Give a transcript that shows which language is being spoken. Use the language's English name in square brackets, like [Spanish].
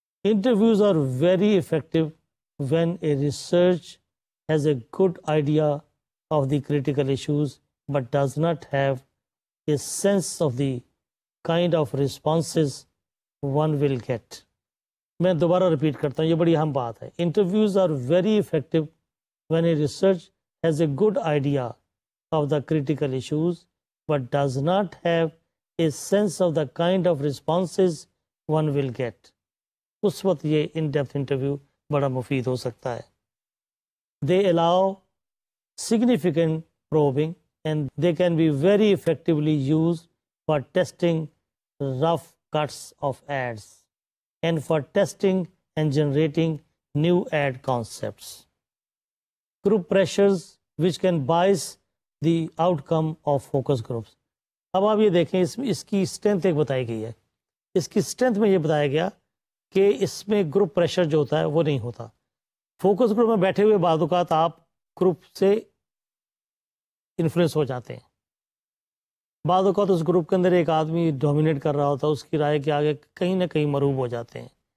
[English] Interviews are very effective when a research has a good idea of the critical issues but does not have a sense of the kind of responses one will get. [Urdu] میں دوبارہ repeat کرتا ہوں، یہ بڑی اہم بات ہے. [English] Interviews are very effective when a research has a good idea of the critical issues but does not have a sense of the kind of responses one will get. [Urdu] اس وقت یہ ان ڈیپتھ انٹرویو بڑا مفید ہو سکتا ہے. [English] They allow significant probing and they can be very effectively use for testing rough cuts of ads and for testing and generating new ad concepts. Group pressures which can bias the outcome of focus groups. [Urdu] اب آپ یہ دیکھیں، اس کی strength ایک بتائی گئی ہے. اس کی اسٹرینتھ میں یہ بتایا گیا کہ اس میں گروپ پریشر جو ہوتا ہے وہ نہیں ہوتا. فوکس گروپ میں بیٹھے ہوئے بعض اوقات آپ گروپ سے انفلوئنس ہو جاتے ہیں. بعض اوقات اس گروپ کے اندر ایک آدمی ڈومینیٹ کر رہا ہوتا ہے، اس کی رائے کے آگے کہیں نہ کہیں مروب ہو جاتے ہیں.